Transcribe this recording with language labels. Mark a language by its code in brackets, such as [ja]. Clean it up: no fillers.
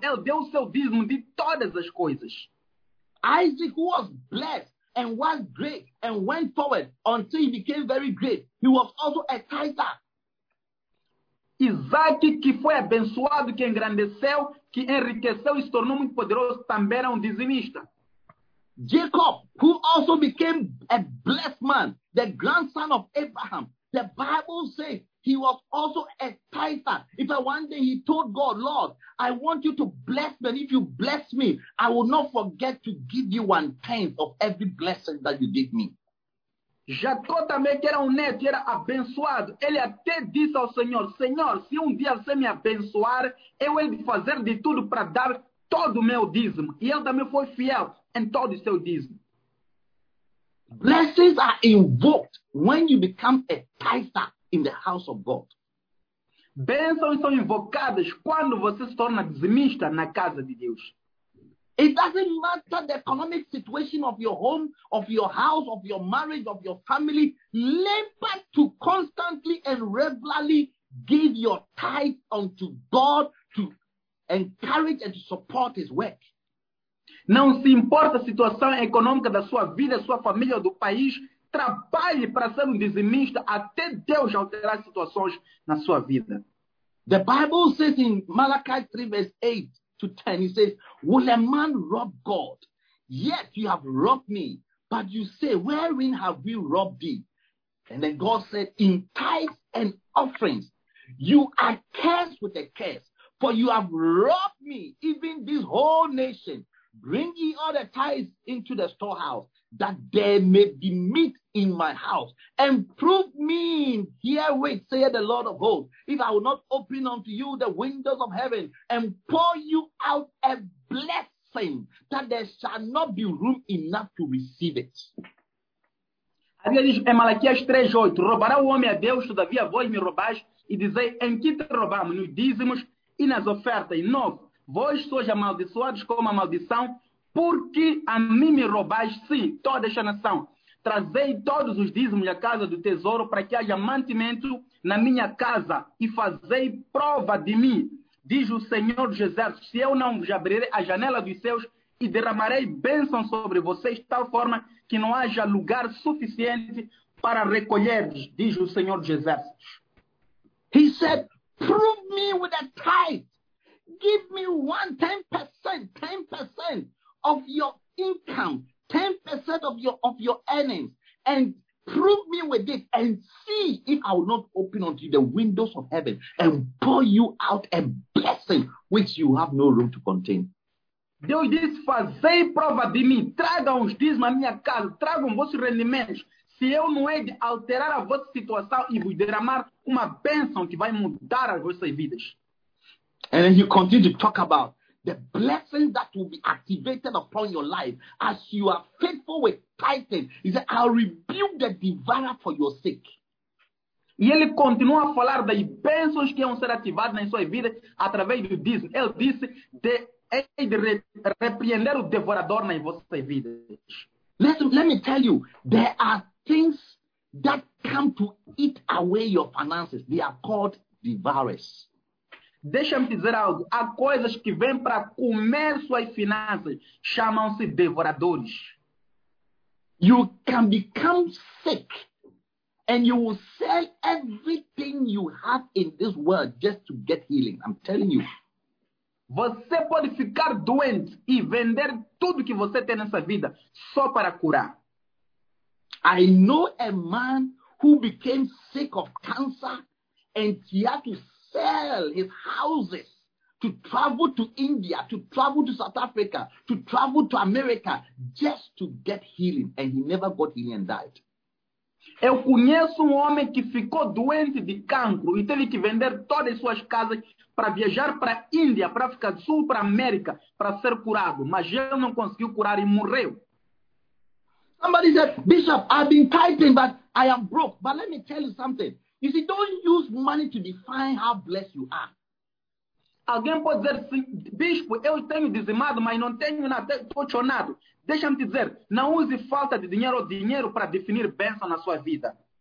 [pt] Ele deu o seu dízimo de todas as coisas. [en] Isaac, who was blessed and was great and went forward until he became very great, he was also a tither. [pt] Isaac, que foi abençoado, que engrandeceu, que enriqueceu e se tornou muito poderoso, também era dizimista. [en] Jacob, who also became a blessed man, the grandson of Abraham, the Bible says he was also a tither. In fact, one day he told God, Lord, I want you to bless me. And if you bless me, I will not forget to give you one tenth of every blessing that you give me. [pt] Jacó também, que era neto e era abençoado, ele até disse ao Senhor, Senhor, se dia você me abençoar, eu hei de fazer de tudo para dar todo o meu dízimo. E ele também foi fiel em todo o seu dízimo. [en] Blessings are invoked when you become a tither in the house of God. [pt] Bênçãos são invocadas quando você se torna dizimista na casa de Deus. [en] It doesn't matter the economic situation of your home, of your house, of your marriage, of your family. Labor to constantly and regularly give your tithe unto God to encourage and to support his work. [pt] Não se importa a situação econômica da sua vida, sua família ou do país, trabalhe para ser um dizimista até Deus alterar situações na sua vida. [en] The Bible says in Malachi 3, verse 8 to 10, it says, will a man rob God? Yet you have robbed me. But you say, wherein have we robbed thee? And then God said, in tithes and offerings, you are cursed with a curse. For you have robbed me, even this whole nation. Bring ye all the tithes into the storehouse, that there may be meat in my house. And prove me herewith, saith the Lord of hosts, if I will not open unto you the windows of heaven and pour you out a blessing, that there shall not be room enough to receive it. [pt] A Bíblia diz em Malaquias 3:8, roubará o homem a Deus, todavia vós me roubais, e dizei, em que te roubamos? Nos dízimos e nas ofertas. E novo, vós sois amaldiçoados como a maldição, porque a mim me roubais, sim, toda esta nação. Trazei todos os dízimos à casa do tesouro, para que haja mantimento na minha casa, e fazei prova de mim, diz o Senhor dos Exércitos, se eu não vos abrirei a janela dos céus, e derramarei bênção sobre vocês, de tal forma que não haja lugar suficiente para recolher, diz o Senhor dos Exércitos. [en] He said, prove me with a tithe. Give me one 10%, 10% of your income, 10% of your earnings, and prove me with it, and see if I will not open unto you the windows of heaven and pour you out a blessing which you have no room to contain. [pt] Deus disse, fazei prova de mim, tragam os dízimos à minha casa, tragam vossos rendimentos, se eu não hei de alterar a vossa situação e vos derramar uma bênção que vai mudar as vossas vidas. [en] And then you continue to talk about the blessing that will be activated upon your life as you are faithful with tithing. He said, I'll rebuke the devourer for your sake. [pt] E ele continua a falar das bênçãos que vão ser ativadas em sua vida através do dízimo. Ele disse, repreender o devorador na vossa vida. [en] Let me tell you, there are things that come to eat away your finances. They are called devourers. [pt] Deixa-me dizer algo. Há coisas que vêm para comer suas finanças. Chamam-se devoradores. [en] You can become sick and you will sell everything you have in this world just to get healing. I'm telling you. [pt] Você pode ficar doente e vender tudo que você tem nessa vida só para curar. [en] I know a man who became sick of cancer and he had to sell his houses to travel to India, to travel to South Africa, to travel to America just to get healing. And he never got healing and died. [pt] Eu conheço homem que ficou doente de cancro e teve que vender todas as suas casas para viajar para a Índia, para a África do Sul, para a América, para ser curado. Mas ele não conseguiu curar e morreu. [en] Somebody said, Bishop, I've been tithing, but I am broke. But let me tell you something. You see, don't use money to define how blessed you are. [pt] Alguém pode dizer, Bispo, eu tenho dizimado, mas não tenho nada, estou chonado. Deixa-me dizer, não use falta de dinheiro ou dinheiro para definir bênção na sua vida.